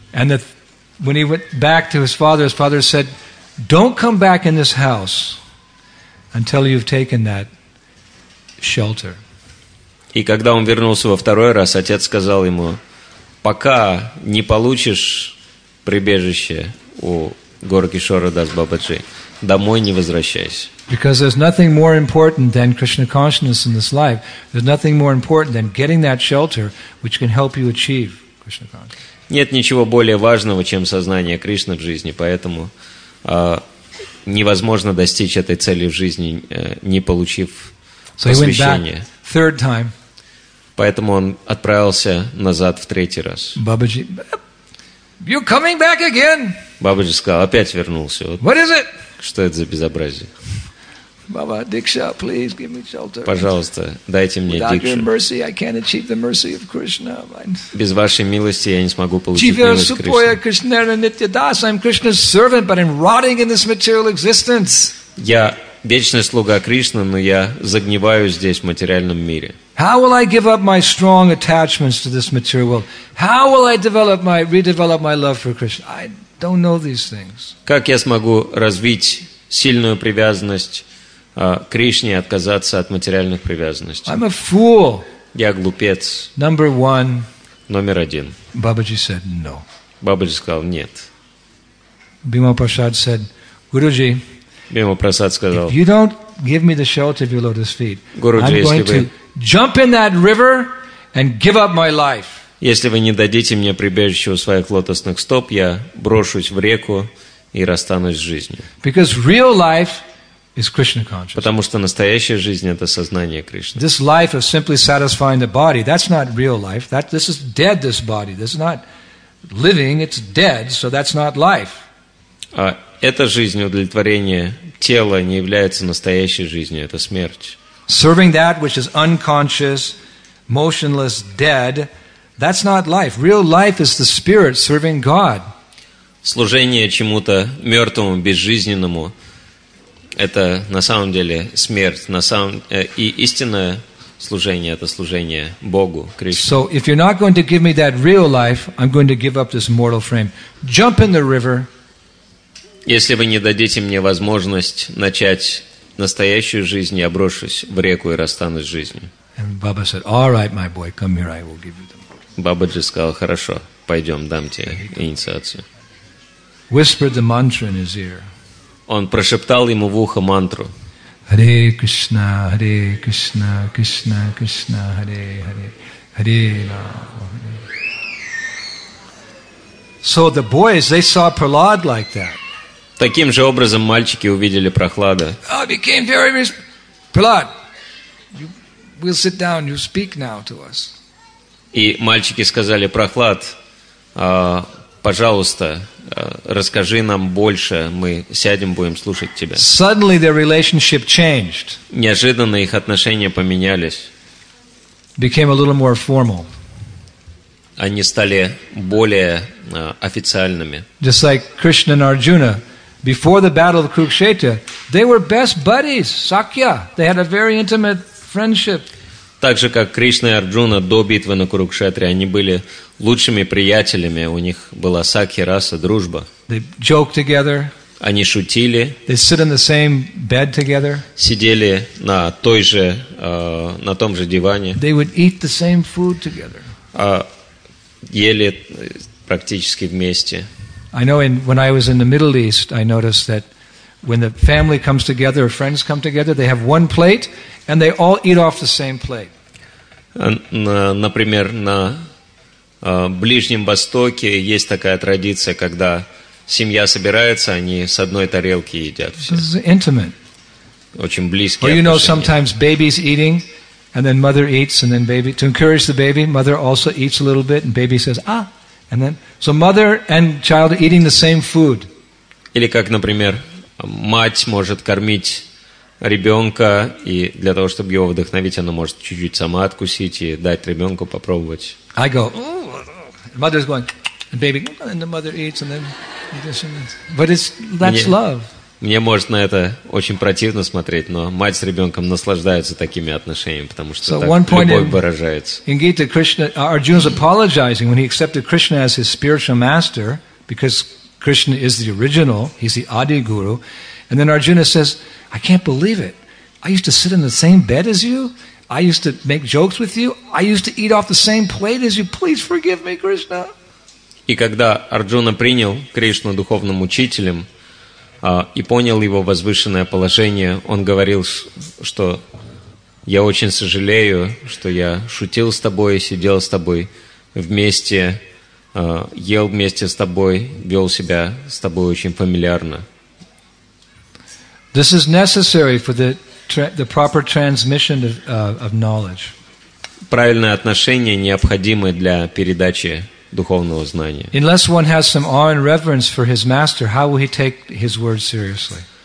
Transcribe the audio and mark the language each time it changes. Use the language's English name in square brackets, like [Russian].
[English] And when he went back to his father said, "Don't come back in this house until you've taken that shelter." [Russian] И когда он вернулся во второй раз, отец сказал ему: пока не получишь прибежище у Гора Кишора Дас Бабаджи, домой не возвращайся. [English] Because there's nothing more important than Krishna consciousness in this life. There's nothing more important than getting that shelter which can help you achieve Krishna consciousness. [Russian] Нет ничего более важного, чем сознание Кришны в жизни, поэтому невозможно достичь этой цели в жизни, не получив посвящения. [English] So he went back third time. [Russian] Поэтому он отправился назад в третий раз. [English] Бабаджи, you're coming back again. [Russian] Бабаджи сказал: опять вернулся. Вот. [English] What is it? [Russian] Что это за безобразие? [English] Baba, diksha, please give me shelter. [Russian] Пожалуйста, дайте мне [English] Without [Russian] дикшу. [English] Your mercy, I can't achieve the mercy of Krishna. [Russian] Без вашей милости я не смогу получить милость Кришны. [English] I'm Krishna's servant, but I'm rotting in this material existence. [Russian] Я вечный слуга Кришны, но я загниваю здесь, в материальном мире. [English] How will I give up my strong attachments to this material world? How will I redevelop my love for Krishna? I don't know these things. [Russian] Как я смогу развить сильную привязанность к Кришне и отказаться от материальных привязанностей? [English] I'm a fool. [Russian] Я глупец. [English] Number one. [Russian] Номер один. [English] Бабаджи said no. [Russian] Бабаджи сказал нет. [English] Бимал Прасад said, Гуруджи. [Russian] Бимал Прасад сказал: [English] if you don't give me the shelter of your lotus feet, [Russian] Гуруджи, [English] I'm going to jump in that river and give up my life. [Russian] Если вы не дадите мне прибежище у своих лотосных стоп, я брошусь в реку и расстанусь с жизнью. [English] Because real life is Krishna consciousness. [Russian] Потому что настоящая жизнь — это сознание Кришны. [English] This life of simply satisfying the body, that's not real life. That this is dead, this body. This is not living, it's dead, so that's not life. [Russian] А эта жизнь удовлетворения тела не является настоящей жизнью, это смерть. [English] Serving that which is unconscious, motionless, dead, that's not life. Real life is the spirit serving God. [Russian] Служение чему-то мертвому, безжизненному, это на самом деле смерть. И истинное служение — это служение Богу, Кришне. [English] So if you're not going to give me that real life, I'm going to give up this mortal frame. Jump in the river. [Russian] Если вы не дадите мне возможность начать настоящую жизнь, я брошусь в реку и расстанусь с жизнью. [English] And Baba said, "All right, my boy, come here, I will give you the mantra." [Russian] Бабаджи сказал: хорошо, пойдем, дам тебе инициацию. [English] Whispered the mantra in his ear. [Russian] Он прошептал ему в ухо мантру. [Sanskrit] Hare Krishna, Hare Krishna, Krishna Krishna, Hare Hare, Hare Rama. [English] So the boys, they saw Prahlad like that. [Russian] Таким же образом мальчики увидели Прохлада. [English] I became very Prahlad. We'll sit down. You speak now to us. [Russian] И мальчики сказали: Прохлад, пожалуйста, расскажи нам больше. Мы сядем, будем слушать тебя. [English] Suddenly their relationship changed. [Russian] Неожиданно их отношения поменялись. [English] Became a little more formal. [Russian] Они стали более официальными. [English] Just like Krishna and Arjuna, before the battle of Kurukshetra, they were best buddies. Sakya, they had a very intimate friendship. [Russian] Так же, как Кришна и Арджуна до битвы на Курукшетре, они были лучшими приятелями, у них была сакхи-раса, дружба. [English] They joke together. [Russian] Они шутили. [English] They sit in the same bed together. [Russian] Сидели на той же, на том же диване. [English] They would eat the same food together. [Russian] Ели практически вместе. [English] I know when I was in the Middle East, I noticed that when the family comes together, friends come together, they have one plate, and they all eat off the same plate. [Russian] Например, на Ближнем Востоке есть такая традиция, когда семья собирается, они с одной тарелки едят все. [English] This is intimate. [Russian] Очень близкие отношения. [English] Or you know, sometimes baby's eating, and then mother eats, and then baby, to encourage the baby, mother also eats a little bit, and baby says, ah, and then, so mother and child are eating the same food. [Russian] Или как, например, мать может кормить ребенка, и для того, чтобы его вдохновить, она может чуть-чуть сама откусить и дать ребенку попробовать. [English] I go, ooh, mother's going, and baby, and the mother eats, and then, but it's, that's love. [Russian] Мне может на это очень противно смотреть, но мать с ребенком наслаждается такими отношениями, потому что так любовь выражается. [English] In Gita, Arjuna's apologizing when he accepted Krishna as his spiritual master, because Krishna is the original, he's the Adi Guru. And then Arjuna says, I can't believe it. I used to sit in the same bed as you. I used to make jokes with you. I used to eat off the same plate as you. Please forgive me, Krishna. [Russian] И когда Арджуна принял Кришну духовным учителем и понял его возвышенное положение, он говорил, что я очень сожалею, что я шутил с тобой, сидел с тобой вместе, ел вместе с тобой, вел себя с тобой очень фамильярно. [English] This is necessary for the proper transmission of knowledge. [Russian] Правильное отношение необходимо для передачи духовного знания. [English] Unless one has some awe and reverence for his master, how will he take his words seriously?